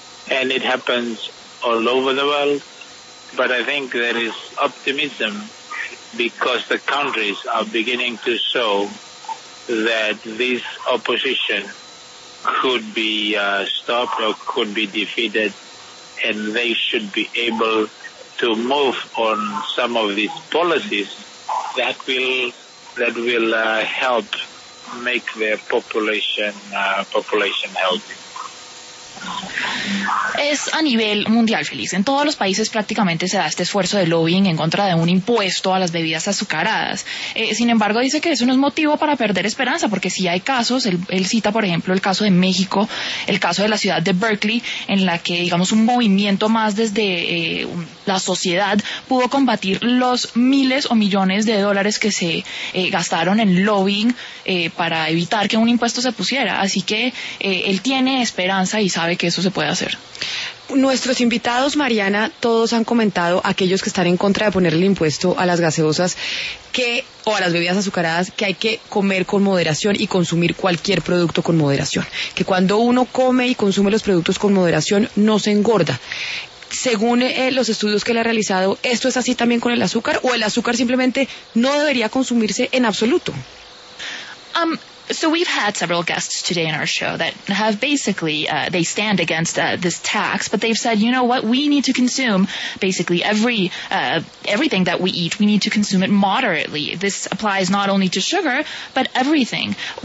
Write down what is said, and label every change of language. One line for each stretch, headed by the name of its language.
English: And it happens all over the world. But I think there is optimism because the countries are beginning to show that this opposition could be stopped or could be defeated, and they should be able to move on some of these policies that will help make their population healthy.
Spanish: Es a nivel mundial, Feliz. En todos los países prácticamente se da este esfuerzo de lobbying en contra de un impuesto a las bebidas azucaradas. Sin embargo, dice que eso no es motivo para perder esperanza, porque sí hay casos. Él cita, por ejemplo, el caso de México, el caso de la ciudad de Berkeley, en la que, digamos, un movimiento más desde la sociedad pudo combatir los miles o millones de dólares que se gastaron en lobbying para evitar que un impuesto se pusiera. Así que él tiene esperanza y sabe que eso se puede hacer. Nuestros invitados, Mariana, todos han comentado, aquellos que están en contra de poner el impuesto a las gaseosas o a las bebidas azucaradas, que hay que comer con moderación y consumir cualquier producto con moderación, que cuando uno come y consume los productos con moderación no se engorda. Según los estudios que le ha realizado, ¿esto es así también con el azúcar, o el azúcar simplemente no debería consumirse en absoluto?
English: So we've had several guests today in our show that have basically, they stand against this tax, but they've said, you know what, we need to consume basically everything that we eat. We need to consume it moderately. This applies not only to sugar, but everything.